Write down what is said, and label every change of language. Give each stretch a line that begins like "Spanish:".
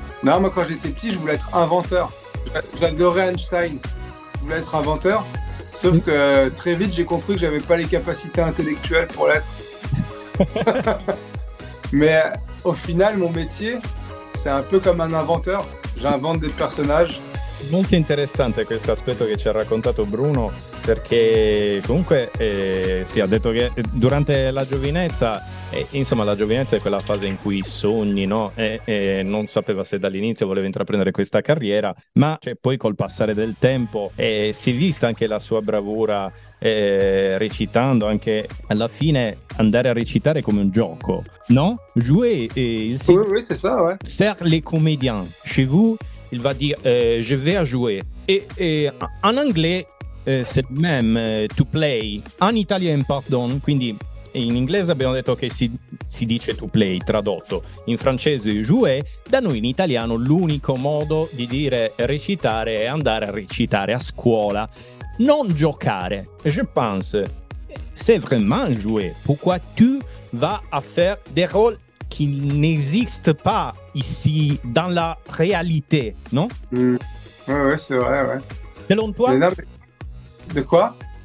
French: Non, moi quand j'étais petit, je voulais être inventeur. J'adorais Einstein. Je voulais être inventeur. Sauf que très vite, j'ai compris que j'avais pas les capacités intellectuelles pour l'être. Mais au final, mon métier, c'est un peu comme un inventeur. J'invente des personnages.
Italian: Molto interessante questo aspetto che ci ha raccontato Bruno, perché comunque si è detto che durante la giovinezza, insomma la giovinezza è quella fase in cui sogni, no? Non sapeva se dall'inizio voleva intraprendere questa carriera, ma cioè, poi col passare del tempo si è vista anche la sua bravura recitando, anche alla fine andare a recitare come un gioco, no?
French: Jouer il cinema. Oui, c'est ça, ouais. Faire les comédiens chez vous. Il va dire je vais à jouer. Et en anglais, c'est même to play. En italien, pardon.
Italian: Quindi, in inglese abbiamo detto che si dice to play, tradotto. In francese, jouer. Da noi in italiano, l'unico modo di dire recitare è andare a recitare a scuola. Non giocare.
French: Je pense, c'est vraiment jouer. Pourquoi tu vas à faire des rôles qui n'existe pas ici, dans la réalité, non? Oui, c'est vrai, ouais. Selon toi? De quoi?